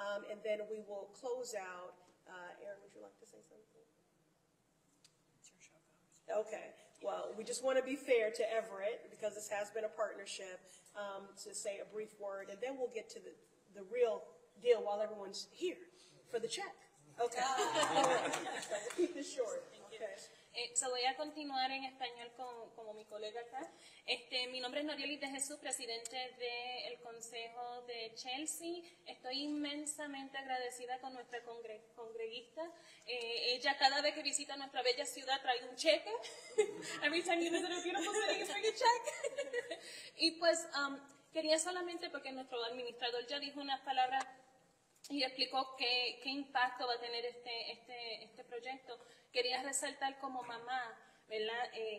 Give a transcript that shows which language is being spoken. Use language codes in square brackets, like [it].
[en] And then we will close out. Erin, would you like to say something? It's your show. Okay. Well, we just want to be fair to Everett, because this has been a partnership, to say a brief word, and then we'll get to the real deal while everyone's here for the check. Okay. Keep this short. [es] Se voy a continuar en español como mi colega acá. Mi nombre es Norielis de Jesús, presidente del Consejo de Chelsea. Estoy inmensamente agradecida con nuestra congreguista. Ella cada vez que visita nuestra bella ciudad trae un cheque. [en] Every time you visit a beautiful city, you bring a check. [es] Y pues quería solamente porque nuestro administrador ya dijo unas palabras y explicó qué impacto va a tener este proyecto. Quería resaltar como mamá, ¿verdad?